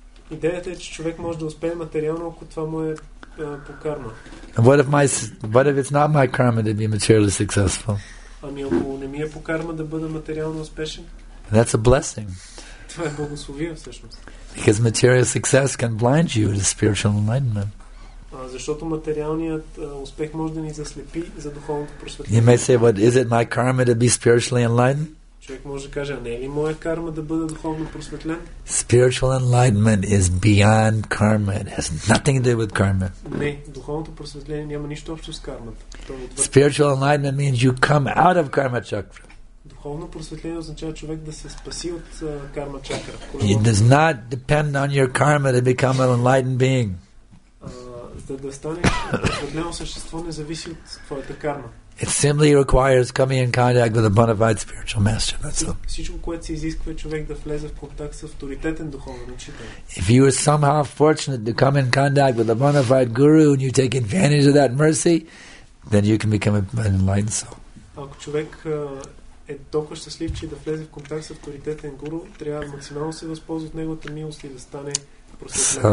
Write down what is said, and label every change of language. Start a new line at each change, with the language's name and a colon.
Bulgarian: Идеята е, че човек може да успее материално, ако това му е по карма.
English: What if it's not my karma to be materially successful?
Bulgarian: Ами ако не ми е по карма да бъда материално успешен?
English: That's a blessing.
Bulgarian: Това е благословие всъщност.
English: Because material success can blind you to spiritual enlightenment.
Bulgarian: Защото материалният успех може да ни заслепи за духовното просветление.
English: You may say, what is it my karma to be spiritually enlightened?
Bulgarian: Човек може да каже, не е ли моя карма да бъда духовно просветлен?
English: Spiritual enlightenment is beyond karma. It has nothing to do with karma.
Bulgarian: Не, духовното просветление няма нищо общо с кармата.
English: Spiritual enlightenment means you come out of karma chakra.
Bulgarian: Духовно просветление означава човек да се спаси от карма чакра.
English: It does not depend on your karma to become an enlightened being.
Bulgarian: Да станеш просветлено същество не зависи от твоята карма.
English: It simply requires coming in contact with a bona fide spiritual master. That's all.
Bulgarian: Всичко, което се изисква, е човек да влезе в контакт с авторитетен духовен учител.
English: If you are somehow fortunate to come in contact with a bona fide guru and you take advantage of that mercy, then you can become an enlightened soul.
Bulgarian: Ако човек е толкова щастлив, че да влезе в контакт с авторитетен гуру, трябва максимално се възползва от неговата милост и да стане просветлен.